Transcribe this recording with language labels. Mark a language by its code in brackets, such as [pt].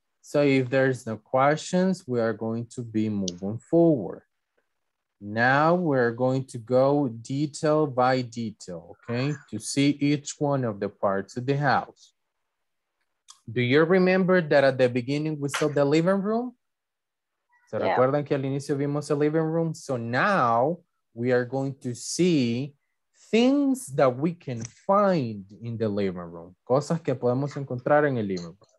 [en] So if there's no questions, we are going to be moving forward. Now we're going to go detail by detail, okay? To see each one of the parts of the house. Do you remember that at the beginning we saw the living room? [es] ¿Se recuerdan que al inicio vimos el living room? [en] So now we are going to see things that we can find in the living room. [es] Cosas que podemos encontrar en el living room.